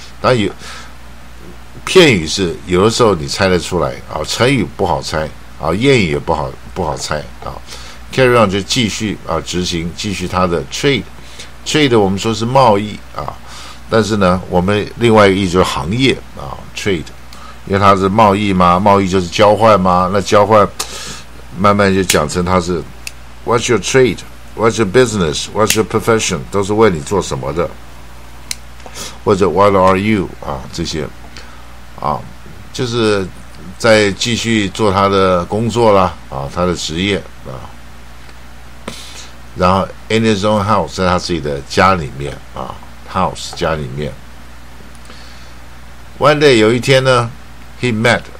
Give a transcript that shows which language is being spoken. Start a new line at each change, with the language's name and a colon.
Chinese: 但有片语是有的时候你猜得出来啊，成语不好猜啊，谚语也不好猜啊。 carry on 就继续啊，执行，继续它的 trade 我们说是贸易啊。但是呢，我们另外一个意思就是行业啊 ，trade， 因为它是贸易嘛，贸易就是交换嘛。那交换慢慢就讲成它是
English: ，what's your trade？what's your business？what's your profession？
Chinese: 都是为你做什么的，或者
English: what are you？
Chinese: 啊，这些啊，就是在继续做他的工作啦，啊，他的职业啊。然后
English: in his own house，
Chinese: 在他自己的家里面啊。
English: House
Chinese: 家里面
English: ，One day
Chinese: 有一天呢
English: ，He met。